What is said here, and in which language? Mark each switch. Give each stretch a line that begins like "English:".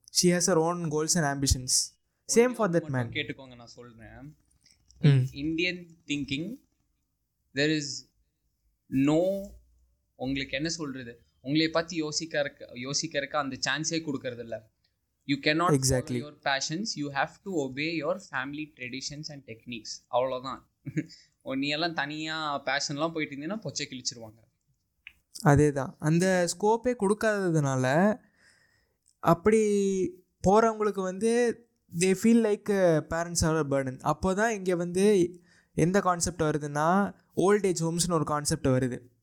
English: She has her own goals and ambitions. Same for that man.
Tamil: கேட்டுக்கோங்க, நான் சொல்கிறேன்,
English: Indian thinking there is no,
Tamil: உங்களுக்கு என்ன சொல்கிறது, உங்களை பற்றி யோசிக்கிறக்க அந்த சான்ஸே கொடுக்கறது இல்லை.
English: You cannot exactly follow your passions. You have to obey your family traditions and techniques.
Tamil: அவ்வளோதான். நீ எல்லாம் தனியாக பேஷன்லாம் போயிட்டு இருந்தீங்கன்னா பொச்சை கிழிச்சிருவாங்க. அதே தான். அந்த ஸ்கோப்பே கொடுக்காததுனால அப்படி போகிறவங்களுக்கு வந்து
English: They feel like parents are a burden.
Tamil: அப்போ தான் இங்கே வந்து எந்த கான்செப்ட் வருதுன்னா, ஓல்ட் ஏஜ் ஹோம்ஸ்னு ஒரு கான்செப்ட் வருது.